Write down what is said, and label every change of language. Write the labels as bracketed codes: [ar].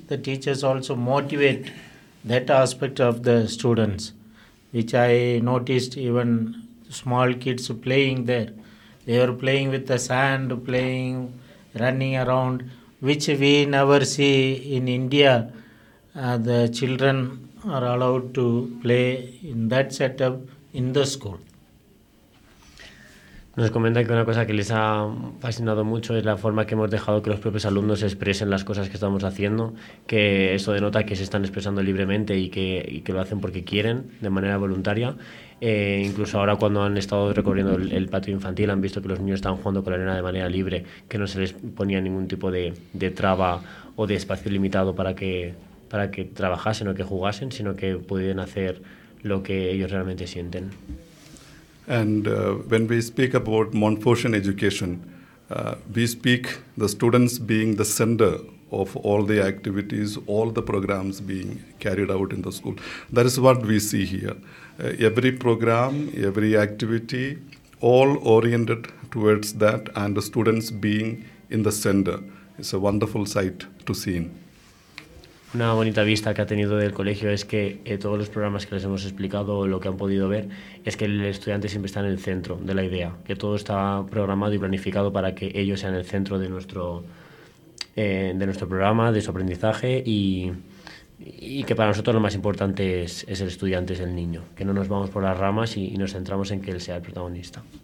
[en] The teachers also motivate that aspect of the students, which I noticed even small kids playing there. They are playing with the sand, playing, running around, which we never see in India. The children are allowed to play in that setup in the school. [es] Nos comenta que una cosa que les ha fascinado mucho es la forma que hemos dejado que los propios alumnos expresen las cosas que estamos haciendo, que eso denota que se están expresando libremente y que lo hacen porque quieren, de manera voluntaria. Incluso ahora cuando han estado recorriendo el patio infantil han visto que los niños estaban jugando con la arena de manera libre, que no se les ponía ningún tipo de traba o de espacio limitado para que trabajasen o que jugasen, sino que pudieran hacer lo que ellos realmente sienten. [en] And when we speak about Montfortian education, we speak the students being the center of all the activities, all the programs being carried out in the school. That is what we see here. Every program, every activity, all oriented towards that, and the students being in the center. It's a wonderful sight to see. [es] Una bonita vista que ha tenido del colegio es que todos los programas que les hemos explicado, lo que han podido ver, es que el estudiante siempre está en el centro de la idea, que todo está programado y planificado para que ellos sean el centro de nuestro programa, de su aprendizaje, y que para nosotros lo más importante es el estudiante, es el niño, que no nos vamos por las ramas y nos centramos en que él sea el protagonista.